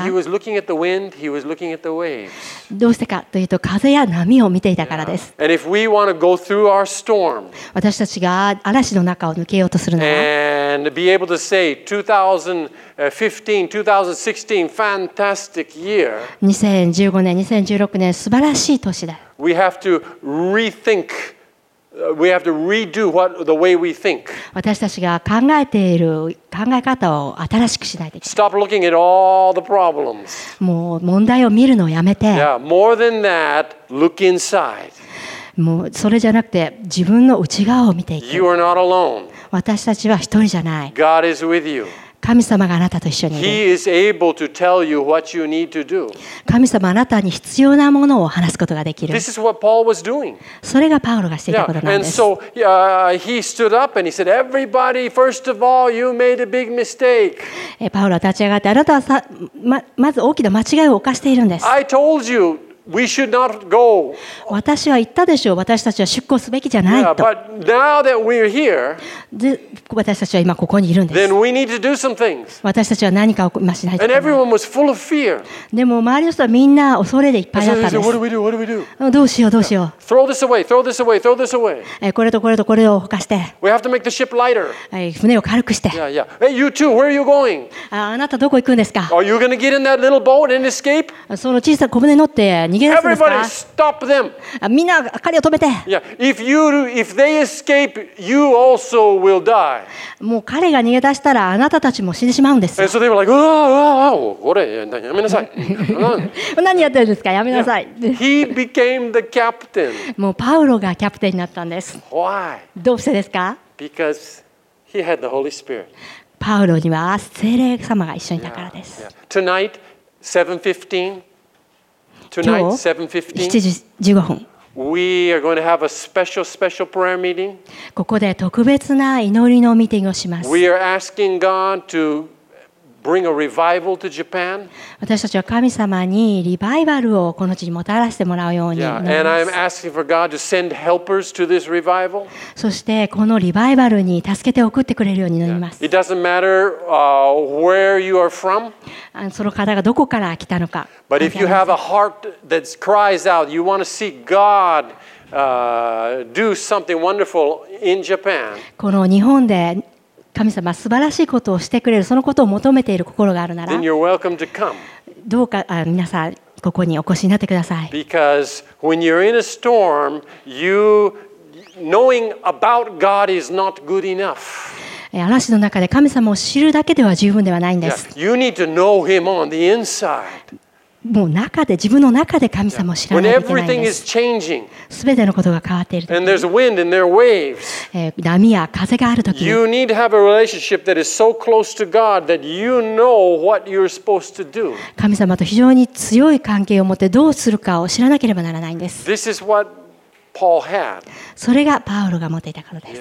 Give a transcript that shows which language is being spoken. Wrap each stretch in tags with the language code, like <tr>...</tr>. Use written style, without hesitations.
<en>He was looking at the wind, he was looking at the waves.</en> <ja>どうしてかというと風や波を見ていたからです。</ja> <en>And if we want to go through our storm,</en> <ja>私たちが嵐の中を抜けようとするなら、</ja> <en>And be able to say 2015, 2016, fantastic year.</en> <ja>2015年、2016年、素晴らしい年だ。</ja> <en>We have to rethink. We have to redo what, the way we think.</en> <ja>私たちが考えている考え方を新しくしないといけない。</ja> <en>Stop looking at all the problems.</en> <ja>もう問題を見るのをやめて。</ja> <en>Yeah, more than that, look inside.</en> <ja>もうそれじゃなくて自分の内側を見ていく。</ja> <en>You are not alone.</en> <ja>私たちは一人じゃない。</ja> <en>God is with you.</en> <ja>神様があなたと一緒にいる。</ja> <en>He is able to tell you what you need to do.</en> <ja>神様あなたに必要なものを話すことができる。</ja> <en>This is what Paul was doing.</en> <ja>それがパウロがしていたことなんです。</ja> <en>Yeah. And so, he stood up and he said, "Everybody, first of all, you made a big mistake."</en> <ja>パウロは立ち上がって、あなたはさ、まず大きな間違いを犯しているんです。</ja> <en>I told you we should not go.</en> <ja>私は言ったでしょう。私たちは出航すべきじゃないと。</ja> <en>Yeah, but now that we're here.</en> <ja>私たちは今ここにいるんです。</ja> <en>Then we need to do some things.</en> <ja>私たちは何かを今しないと。</ja> <en>And everyone was full of fear.</en> <ja>でも周りの人はみんな恐れでいっぱいだったんです。</ja> <en>What do we do? What do we do?</en> <ja>どうしようどうしよう。</ja> <en>Throw this away. Throw this away. Throw this away.</en> <ja>これとこれとこれをほかして。</ja> <en>We have to make the ship lighter.</en> <ja>船を軽くして。</ja> <en>Yeah, yeah. Hey, you too. Where are you going?</en> <ja>あなたどこ行くんですか。</ja> <en>Are you going to get in that little boat and escape?</en> <ja>その小さな小舟に乗って逃げ出すんですか。</ja> <en>Everybody, stop them.</en> <ja>みんな彼を止めて。</ja> <en>Yeah, if they escape, you also will die.</en> <ja>もう彼が逃げ出したらあなたたちも死んでしまうんです。</ja> <en>So they were like, oh, oh, oh, oh,</en> <ja>これやめなさい。何やってるんですか、やめなさい。</ja> <en>Yeah. He became the captain.</en> <ja>もうパウロがキャプテンになったんです。</ja> <en>Why?</en> <ja>どうしてですか？</ja> <en>Because he had the Holy Spirit.</en> <ja>パウロには聖霊様が一緒にいたからです。</ja> <en>Tonight, 7:15. Tonight,</en> <ja>7:15. 7時15分。</ja> <en>We are going to have a special, special prayer meeting.</en> <ja>ここで特別な祈りのミーティングをします。</ja> <en>We are asking God to bring a revival to Japan.</en> <ja>私たちは神様にリバイバルをこの地にもたらしてもらうように祈ります。</ja> <en>Yeah, and I'm asking for God to send helpers to this revival.</en> <ja>そしてこのリバイバルに助けて送ってくれるように祈ります。</ja> <en>It doesn't matter where you are from.</en> <ja>その方がどこから来たのか。</ja> <en>But if you have a heart that cries out, you want to see God do something wonderful in Japan.</en> <ja>この日本で神様素晴らしいことをしてくれる、そのことを求めている心があるなら、</ja> <en>Then you're welcome to come.</en> <ja>どうか皆さんここにお越しになってください。</ja> <en>Because when you're in a storm, you knowing about God is not good enough.</en> <ja>嵐の中で神様を知るだけでは十分ではないんです。</ja> <en>Yeah, you need to know him on the inside.</en> <ja>もう中で自分の中で神様を知らないといけないんです。</ja> <en>When everything is changing,</en> <ja>全てのことが変わっている時、</ja> <en>and there's wind and there are waves,</en> <ja>波や風がある時、</ja> <en>you need to have a relationship that is so close to God that you know what you're supposed to do.</en> <ja>神様と非常に強い関係を持ってどうするかを知らなければならないんです。</ja> <en>This is what Paul had.</en> <ja>それがパウロが持っていたからです。</ja>